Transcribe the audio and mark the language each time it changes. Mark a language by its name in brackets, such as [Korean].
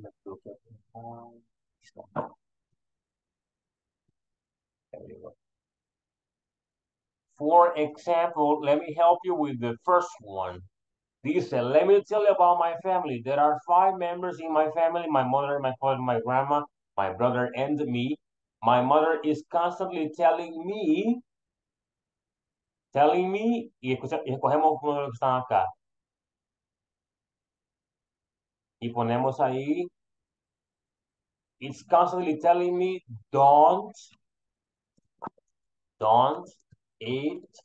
[English] Let's look at the there we go. For example, let me help you with the first one. Listen, let me tell you about my family. There are 5 members in my family, my mother, my father, my grandma, my brother, and me. My mother is constantly telling me, [Spanish] y escogemos uno de los que están acá. Y ponemos ahí, [English] it's constantly telling me, don't eat